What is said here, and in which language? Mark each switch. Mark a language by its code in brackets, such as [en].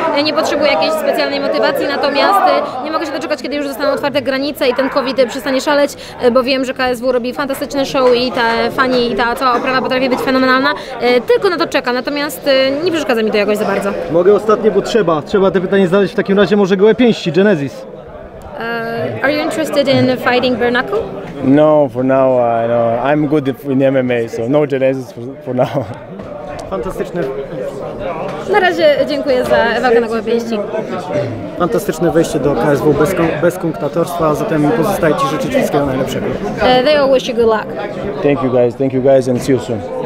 [pl] Nie potrzebuję jakiejś specjalnej motywacji, natomiast nie mogę się doczekać, kiedy już zostaną otwarte granice i ten COVID przestanie szaleć, bo wiem, że KSW robi fantastyczne show i te fani i ta cała oprawa potrafi być fenomenalna. Tylko na to czeka, natomiast nie przeszkadza mi to jakoś za bardzo. Mogę ostatnie, bo trzeba te pytanie zadać. W takim razie może gołe pięści, Genesis. [en] Are you interested in fighting Bernacle? No, for now, no. I'm good in MMA, so no Genesis for now. [pl] Fantastyczne. Na razie dziękuję za walkę na głowę pięści. Fantastyczne wejście do KSW bez kunktatorstwa, a zatem pozostaje Ci życzyć wszystkiego najlepszego. [en] They all wish you good luck. Thank you guys and see you soon.